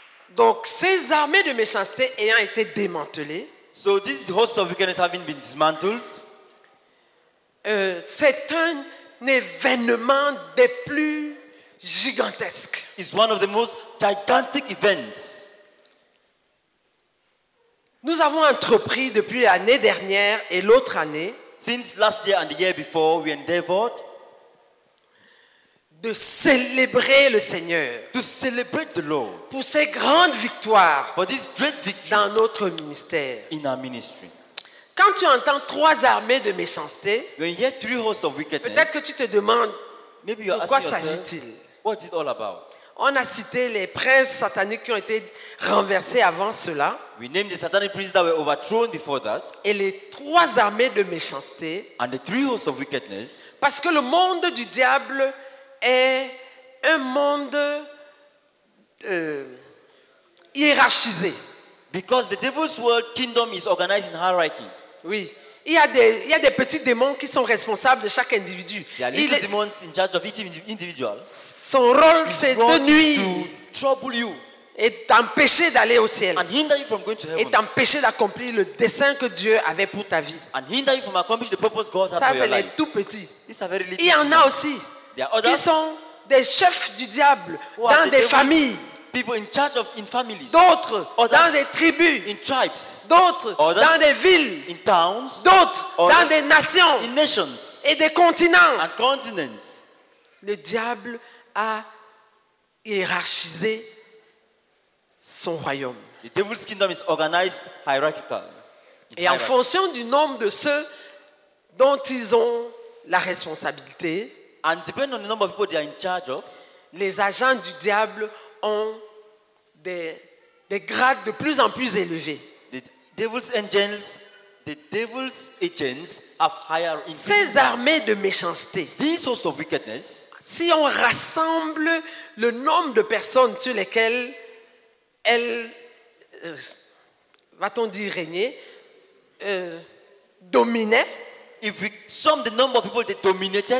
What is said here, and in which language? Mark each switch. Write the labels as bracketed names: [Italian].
[French] Donc ces armées de méchanceté ayant été démantelées, [English] so this host of wickedness having been dismantled, [French] c'est un événement des plus gigantesques. [English] It's one of the most gigantic events. [French] Nous avons entrepris depuis l'année dernière et l'autre année, [English] since last year and the year before, we endeavored [French] de célébrer le Seigneur. [English] To celebrate the Lord. [French] Pour ces grandes victoires. [English] For this great victory. [French] Dans notre ministère. [English] In our ministry. [French] Quand tu entends trois armées de méchanceté. [English] When you hear three hosts of wickedness. [French] Peut-être que tu te demandes. [English] Maybe you're [French] pourquoi [English] asking [French] s'agit-il? [English] What's it all about? [French] On a cité les princes sataniques qui ont été renversés avant cela. [English] We named the satanic princes that were overthrown before that. [French] Et les trois armées de méchanceté. [English] And the three hosts of wickedness. [French] Parce que le monde du diable est un monde hiérarchisé. [English] Because the devil's world kingdom is organized in hierarchy. [French] Oui, il y a des petits démons qui sont responsables de chaque individu. [English] Little demons in charge of each individual. [French] Son rôle c'est de nuire, [English] to trouble you, [French] et t'empêcher d'aller au ciel, [English] and hinder you from going to heaven, [French] et t'empêcher d'accomplir le dessein que Dieu avait pour ta vie, [English] and hinder you from accomplishing the purpose God had [French] ça, [English] for your life. [French] Ça c'est les tout petits. [English] These are very little. [French] Il y en a aussi. [English] There are others [French] qui sont des chefs du diable dans des familles, [English] people in charge of in families, [French] d'autres dans des tribus, [English] in tribes, [French] d'autres [English] others [French] dans des villes, [English] in towns, [French] d'autres dans des nations, [English] in nations, [French] et des continents, [English] and continents. [French] Le diable a hiérarchisé son royaume. [English] The devil's kingdom is organized hierarchical. [French] Et en fonction du nombre de ceux dont ils ont la responsabilité, [English] and depending on the number of people they are in charge of, [French] les agents du diable ont des grades de plus en plus élevés. [English] The devil's angels, the devil's agents have higher. [French] Ces armées de méchanceté, [English] this host of wickedness, [French] si on rassemble le nombre de personnes sur lesquelles elles, va-t-on dire régner, dominaient. [English] If we sum the number of people they dominated,